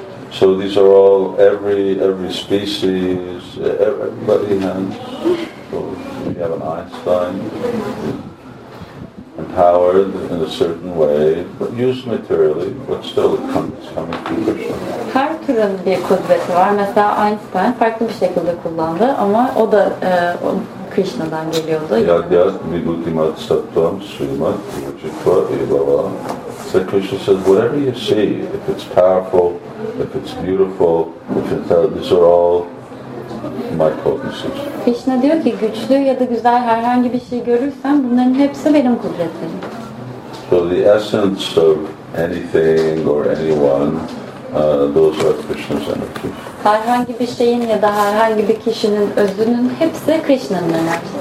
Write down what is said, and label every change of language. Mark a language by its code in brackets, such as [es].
[en] So these are all every species, everybody has. So we have an Einstein, empowered in a certain way, but used materially, but still it comes coming from Krishna. [tr] Her türün bir kudreti var. Mesela Einstein farklı bir şekilde kullandı, ama o da Krishna'dan geliyordu. [sa] Yad vibhuti mat sattvam srimat vichitva evava. [en] So Krishna says, whatever you see, if it's powerful, if it's beautiful, if it's these are all my potencies. [tr] Krishna diyor ki, güçlü ya da güzel herhangi bir şey görürsen, bunların hepsi benim kudretim. [en] So the essence of anything or anyone those are Krishna's energies. [tr] Herhangi bir şeyin ya da herhangi bir kişinin özünün hepsi Krishna'nın enerjisi.